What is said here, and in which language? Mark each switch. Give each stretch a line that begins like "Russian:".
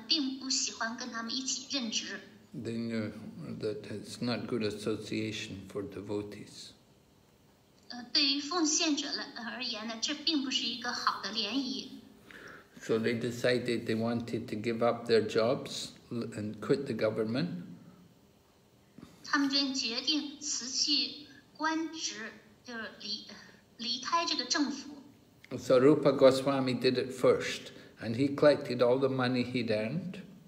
Chinese: 他们知道穆斯林是嗜好杀牛，所以他们并不喜欢跟他们一起任职。
English: They knew that it's not good association for devotees.
Chinese: 对于奉献者而言呢，这并不是一个好的联谊。
English: So they decided they wanted to give up their jobs and quit the government.
Chinese: 他们决定辞去官职，就是离开这个政府。
English: So Rupa Goswami did it first, and he collected all the money he'd earned.